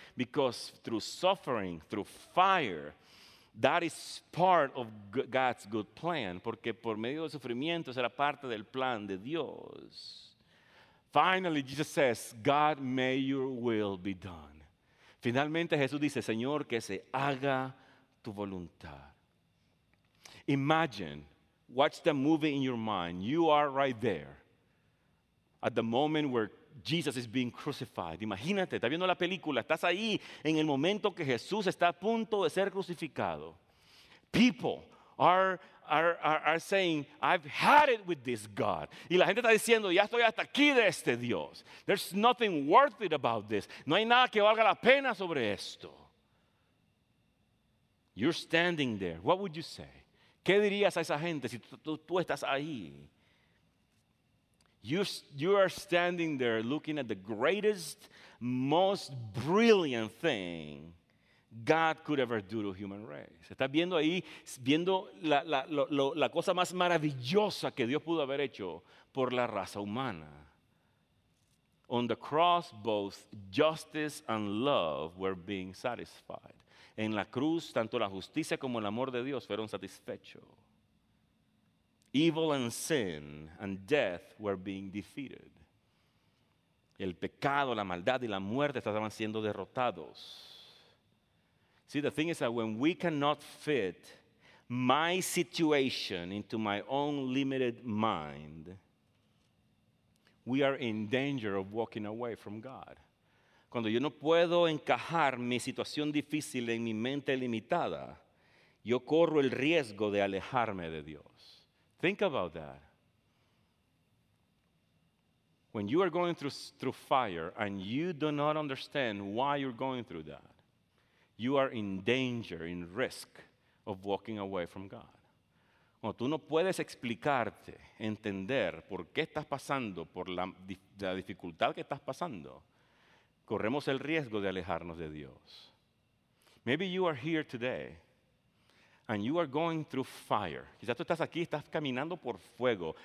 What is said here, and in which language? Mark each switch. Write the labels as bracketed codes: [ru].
[en] Because through suffering, through fire, that is part of God's good plan. [es] Porque por medio del sufrimiento será parte del plan de Dios. [en] Finally, Jesus says, God, may your will be done. [es] Finalmente, Jesús dice, Señor, que se haga tu voluntad. [en] Imagine, watch the movie in your mind. You are right there at the moment where Jesus is being crucified. [es] Imagínate, estás viendo la película, estás ahí en el momento que Jesús está a punto de ser crucificado. [en] People are saying, I've had it with this God. [es] Y la gente está diciendo, ya estoy hasta aquí de este Dios. [en] There's nothing worth it about this. [es] No hay nada que valga la pena sobre esto. [en] You're standing there. What would you say? [es] ¿Qué dirías a esa gente si tú estás ahí? [en] You are standing there looking at the greatest, most brilliant thing God could ever do to human race. [es] Estás viendo ahí, viendo la cosa más maravillosa que Dios pudo haber hecho por la raza humana. [en] On the cross, both justice and love were being satisfied. [es] En la cruz, tanto la justicia como el amor de Dios fueron satisfechos. [en] Evil and sin and death were being defeated. [es] El pecado, la maldad y la muerte estaban siendo derrotados. [en] See, the thing is that when we cannot fit my situation into my own limited mind, we are in danger of walking away from God. [es] Cuando yo no puedo encajar mi situación difícil en mi mente limitada, yo corro el riesgo de alejarme de Dios. [en] Think about that. When you are going through fire and you do not understand why you're going through that, you are in danger, in risk of walking away from God. [es] Cuando tú no puedes explicarte, entender por qué estás pasando, por la dificultad que estás pasando, corremos el riesgo de alejarnos de Dios. [en] Maybe you are here today and you are going through fire. [es] Quizás tú estás aquí, estás caminando por fuego.